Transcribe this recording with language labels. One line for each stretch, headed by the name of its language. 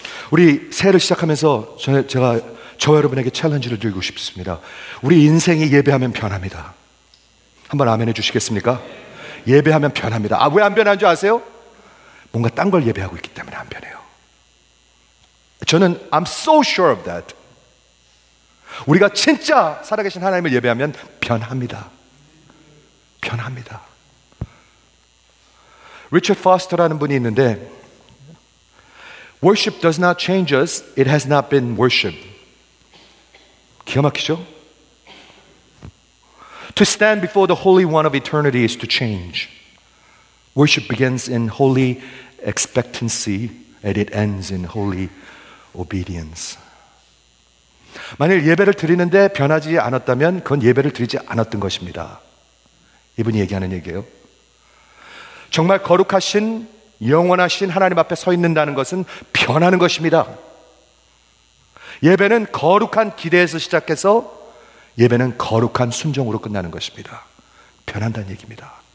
Korean: 우리 새해를 시작하면서 제가 저 여러분에게 챌린지를 드리고 싶습니다. 우리 인생이 예배하면 변합니다. 한번 아멘해 주시겠습니까? 예배하면 변합니다. 아, 왜 안 변하는 줄 아세요? 뭔가 딴 걸 예배하고 있기 때문에 안 변해요. 저는
English: I'm so sure of that.
Korean: 우리가 진짜 살아계신 하나님을 예배하면 변합니다. 변합니다. 리처드 포스터라는 분이 있는데
English: Worship does not change us. It has not been worship.
Korean: 기가 막히죠?
English: To stand before the Holy One of eternity is to change. Worship begins in holy expectancy and it ends in holy obedience.
Korean: 만일 예배를 드리는데 변하지 않았다면 그건 예배를 드리지 않았던 것입니다. 이분이 얘기하는 얘기예요. 정말 거룩하신 영원하신 하나님 앞에 서 있는다는 것은 변하는 것입니다. 예배는 거룩한 기대에서 시작해서 예배는 거룩한 순종으로 끝나는 것입니다. 변한다는 얘기입니다.